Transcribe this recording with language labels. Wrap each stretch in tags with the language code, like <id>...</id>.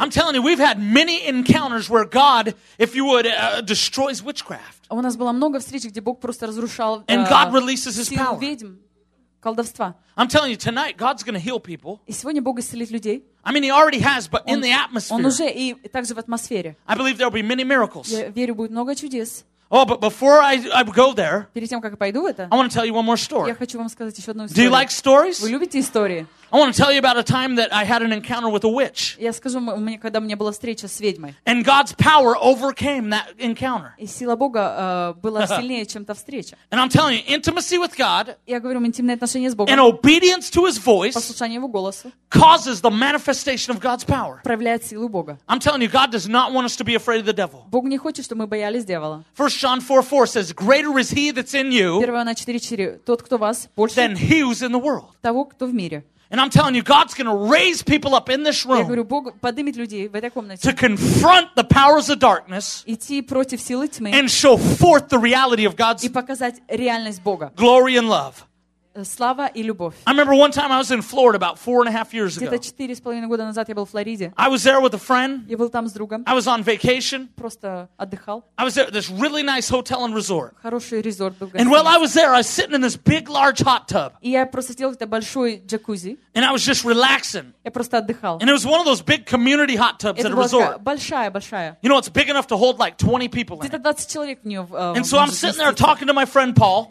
<en>I'm telling you, we've had many encounters where God, if you would, destroys witchcraft.</en> <ru>У нас было много встреч, где Бог просто разрушал силу ведьм.</ru> <en>And God releases His power.</en> <ru>Колдовства.</ru> <en>I'm telling you, tonight God's going to heal people.</en> <ru>И сегодня Бог исцелит людей.</ru> <en>I mean, He already has, but in the atmosphere.</en> <ru>Он уже и также в атмосфере.</ru> <en>I believe there will be many miracles.</en> <ru>Я верю, будет много чудес.</ru> <en>Oh, but before I go there.</en> <ru>Перед тем, как я пойду в это.</ru> <en>I want to tell you one more story.</en> <ru>Я хочу вам сказать еще одну историю.</ru> <en>Do you like stories?</en> <ru>Вы любите истории?</ru> <en>I want to tell you about a time that I had an encounter with a witch.</en> <ru>Я скажу вам, когда у меня была встреча с ведьмой.</ru> <en>And God's power overcame that encounter.</en> <ru>И сила Бога была сильнее, чем та встреча.</ru> <en>And I'm telling you, intimacy with God.</en> <ru>Я говорю вам, интимные отношения с Богом.</ru> <en>And obedience to His voice.</en> <ru>Послушание Его голоса.</ru> <en>Causes the manifestation of God's power.</en> <ru>Проявляет силу Бога.</ru> <en>I'm telling you, God does not want us to be afraid of the devil.</en> <ru>Бог не хочет, чтобы мы боялись дьявола.</ru> <en>1 John 4:4 says, "Greater is He that's in you."</en> <ru>1 John 4:4. Тот, кто вас, больше.</ru> <en>Than he who's in the world.</en> <ru>Того, кто в мире.</ru> <en>And I'm telling you, God's going to raise people up in this room.</en> <ru>Я говорю, Бог поднимет людей в этой комнате.</ru> <en>To confront the powers of darkness.</en> <ru>Идти против силы тьмы.</ru> <en>And show forth the reality of God's.</en> <ru>И показать реальность Бога.</ru> <en>Glory and love.</en> <ru>Слава и любовь.</ru> <en>I remember one time I was in Florida about 4.5 years ago.</en> <ru>Где-то 4.5 года назад я был в Флориде.</ru> <en>I was there with a friend.</en> <ru>Я был там с другом.</ru> <en>I was on vacation.</en> <ru>Просто отдыхал.</ru> <en>I was there at this really nice hotel and resort.</en> <ru>Хороший резорт был.</ru> <en>And while I was there, I was sitting in this big, large hot tub.</en> <ru>И я просто сидел в этой большой джакузи.</ru> <en>And I was just relaxing.</en> <ru>Я просто отдыхал.</ru> <en>And it was one of those big community hot tubs at a resort.</en> <ru>Это большая.</ru> <en>You know, it's big enough to hold like 20 people in.</en> <ru>Где-то 20 человек в нем.</ru> <en>And so I'm sitting there talking to my friend Paul.</en>